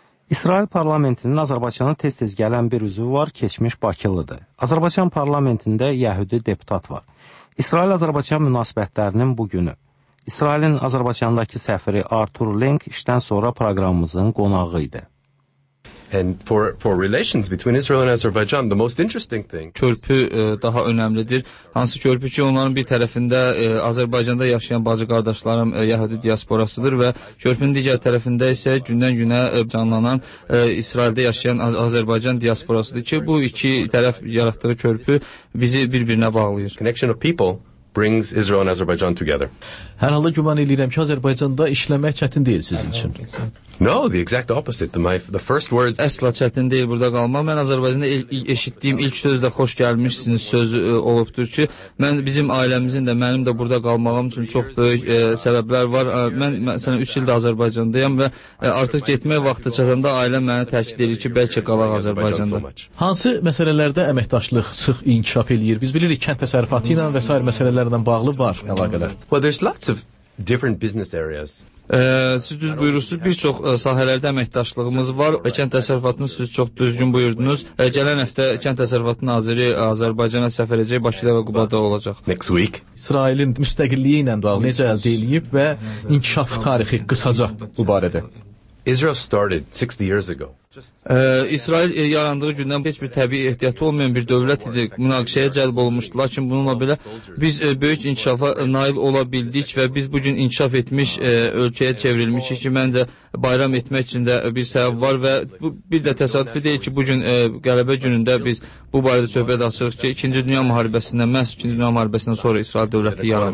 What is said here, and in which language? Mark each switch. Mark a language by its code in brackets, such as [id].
[az] İsrail parlamentinin Azərbaycana tez-tez gələn bir üzvü var, keçmiş bakılıdır. Azərbaycan parlamentində yəhudi deputat var. İsrail-Azərbaycan münasibətlərinin bugünü. İsrailin Azərbaycandakı səfiri Artur Link işdən sonra proqramımızın qonağı idi. [en] And for relations between Israel and Azerbaijan, the most interesting thing. [az] Körpü daha önəmlidir. Hansı körpü ki, onların bir tərəfində Azərbaycanda yaşayan bacı qardaşlarım Yahudi diasporasıdır və körpünün digər tərəfində isə gündən günə canlanan İsraildə yaşayan Azərbaycan diasporasıdır ki, bu iki tərəf yaratdığı körpü bizi bir-birinə bağlayır. [en] Connection of people brings Israel and Azerbaijan together. [az] Hər halda güman edirəm ki, Azərbaycanda işləmək çətin deyil sizin üçün. [en] No, the exact opposite. The first words. [az] Əsla çətin deyil burada qalmaq. Mən Azərbaycanda ilk eşitdiyim ilk sözdə xoş gəlmişsiniz sözü olubdur ki, mən bizim ailəmizin də mənim də burada qalmağım üçün çox böyük səbəblər var. Mən məsələn 3 ildir Azərbaycandayam və artıq getmək vaxtı çatanda ailəm mənə təkid edir ki, bəlkə qalaq Azərbaycanda. Hansı məsələlərdə əməkdaşlıq sıx inkişaf eləyir? Biz bilirik kənd təsərrüfatı ilə və s. məsələlərlə bağlı var əlaqələr. [en] Well, there's lots of different business areas. [az] Siz düz buyurursunuz, bir çox sahələrdə əməkdaşlığımız var və kənd təsərrüfatını siz çox düzgün buyurdunuz. Gələn həftə kənd təsərrüfatı naziri Azərbaycana səfər edəcək, Bakıda və Qubada olacaq. [en] Next week. [az] İsrailin müstəqilliyi ilə bağlı necə əldə edilib və inkişaf tarixi qısaca bu barədə. [en] Israel started 60 years ago. [az] İsrail yarandığı gündən heç bir təbii ehtiyatı olmayan bir dövlət idi. Münaqişəyə cəlb olmuşdu. Lakin bununla belə biz böyük inkişafa nail ola bildik və biz bugün inkişaf etmiş ölkəyə çevrilmişik ki, məncə bayram etmək üçün də bir səbəb var və bu bir də təsadüf deyil ki, bugün qələbə günündə biz bu barədə söhbət açırıq ki, 2-ci Dünya Müharibəsindən, məhz 2-ci Dünya Müharibəsindən sonra İsrail dövləti